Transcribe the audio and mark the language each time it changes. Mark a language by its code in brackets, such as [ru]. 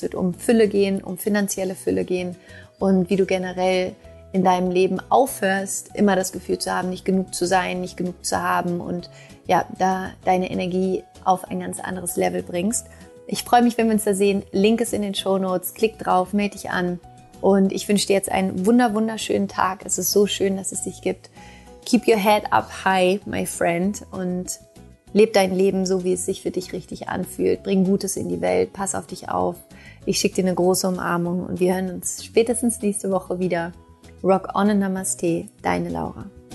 [de] Es wird um Fülle gehen, um finanzielle Fülle gehen und wie du generell in deinem Leben aufhörst, immer das Gefühl zu haben, nicht genug zu sein, nicht genug zu haben und ja, da deine Energie auf ein ganz anderes Level bringst. Ich freue mich, wenn wir uns da sehen. Link ist in den Shownotes. Klick drauf, melde dich an. Und ich wünsche dir jetzt einen wunderschönen Tag. Es ist so schön, dass es dich gibt. [en] Keep your head up high, my friend. [de] Und leb dein Leben so, wie es sich für dich richtig anfühlt. Bring Gutes in die Welt. Pass auf dich auf. Ich schicke dir eine große Umarmung. Und wir hören uns spätestens nächste Woche wieder. [en] Rock on [de] and Namaste. Deine Laura.